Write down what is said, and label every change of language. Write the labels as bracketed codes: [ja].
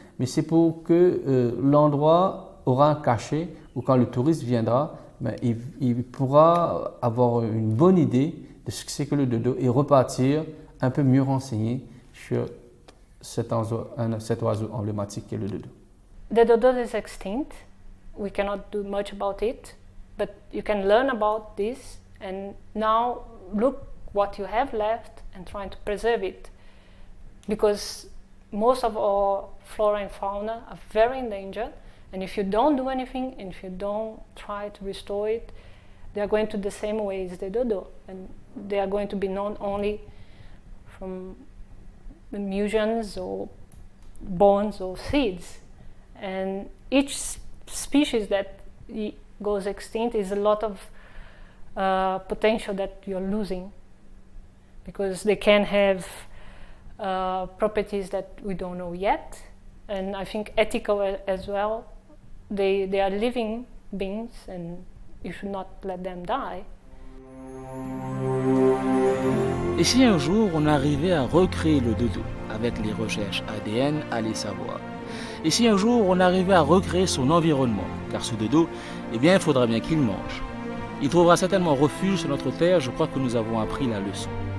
[fr] Mais c'est pour que l'endroit aura un cachet où quand le touriste viendra, ben, il pourra avoir une bonne idée de ce que c'est que le dodo et repartir un peu mieux renseigné sur cet oiseau emblématique qu'est le dodo. [en] The dodo is extinct. We cannot do much about it, but you can learn about this and now look what you have left and try to preserve it. Because most of our flora and fauna are very endangered, and if you don't do anything and if you don't try to restore it, they are going to the same way as the dodo, and they are going to be known only from the museums or bones or seeds. And each species that goes extinct is a lot of potential that you're losing because they can have properties that we don't know yet. And I think ethical as well, they are living beings and you should not let them die. [fr] Et si un jour on arrivait à recréer le dodo avec les recherches ADN, allez savoir. Et si un jour on arrivait à recréer son environnement, car ce dodo, eh bien, il faudra bien qu'il mange. Il trouvera certainement refuge sur notre terre, je crois que nous avons appris la leçon.